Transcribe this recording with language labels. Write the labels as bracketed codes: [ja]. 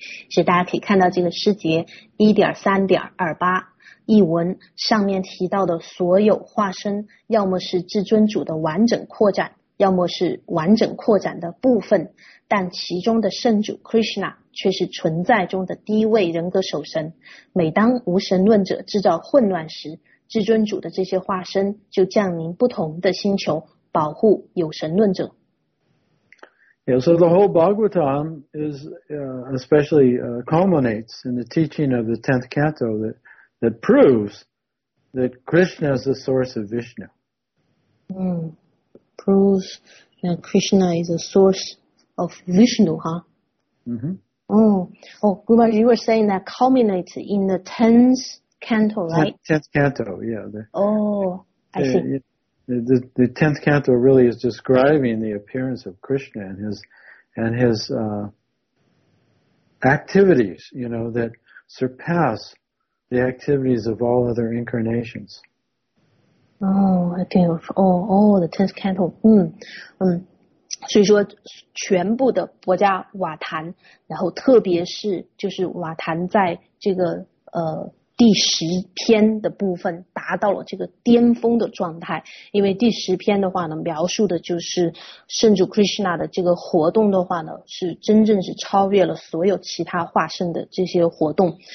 [zh] 是大家可以看到这个诗节 1.3.28 译文上面提到的所有化身要么是至尊主的完整扩展要么是完整扩展的部分，但其中的圣主 Krishna 却是存在中的第一位人格首神。每当无神论者制造混乱时，至尊主的这些化身就降临不同的星球，保护有神论者。 [en] Yeah, so the whole Bhagavatam is especially culminates in the teaching of the 10th canto that proves that Krishna is the source of Vishnu. Proves that Krishna is the source of Vishnu, huh? Guru, you were saying that culminates in the 10th canto, right? 10th canto, yeah. The 10th canto really is describing the appearance of Krishna and his activities, you know, that surpass the activities of all other incarnations. The 10th canto. [zh] 所以说全部的薄伽瓦坛，然后特别是就是瓦坛在这个第十篇的部分达到了这个巅峰的状态，因为第十篇的话呢，描述的就是圣主 Krishna 的这个活动的话呢，是真正是超越了所有其他化身的这些活动。